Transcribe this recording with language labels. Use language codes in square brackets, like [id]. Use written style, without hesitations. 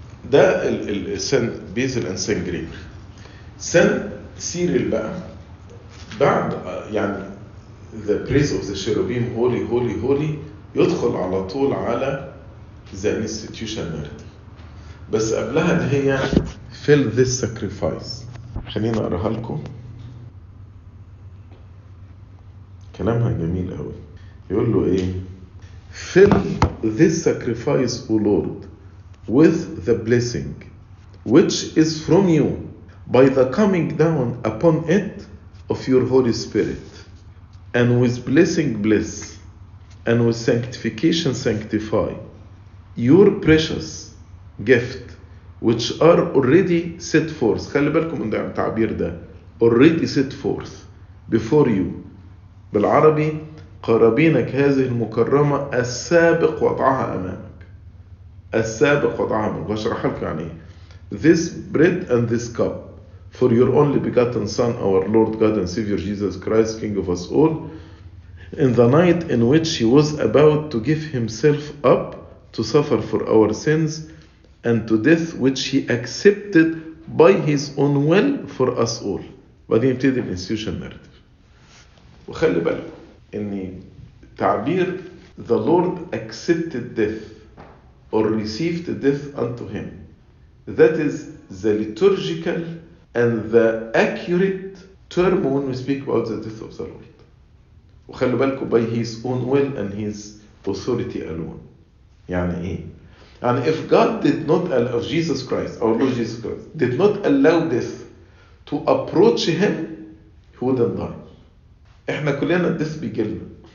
[ar] ده السن بيزل ان سن جريمر. سن سيريل بقى بعد يعني [en] the praise of the cherubim holy holy [ar] holy يدخل على طول على [en] the institution narrative. [ar] بس قبلها ده هي [en] fill this sacrifice. [ar] خلينا اقراها لكم، كلامها جميل قوي. يقول له ايه؟ [en] fill this sacrifice O Lord with the blessing which is from you by the coming down upon it of your Holy Spirit and with blessing bless and with sanctification sanctify your precious gift which are already set forth. [ar] خلي بالكم من التعبير ده [en] already set forth before you. [ar] بالعربي قرابينك هذه المكرمة السابق وضعها أمام، السابق وطعامك. وأشرح لكم يعني [en] this bread and this cup for your only begotten son our Lord God and Savior Jesus Christ King of us all in the night in which he was about to give himself up to suffer for our sins and to death which he accepted by his own will for us all. [ar] وده يبتدي الانستيوشن ناريتيف. وخلي بالكم ان تعبير [en] the Lord accepted death or received death unto him. That is the liturgical and the accurate term when we speak about the death of the Lord. [ar] وخلوا بالكم [en] by his own will and his authority alone. [ar] يعني ايه؟ [en] And if God did not allow, if Jesus Christ, our Lord Jesus Christ, did not allow death to approach him, he wouldn't die. [ar] إحنا كلنا الديث بيجيلنا.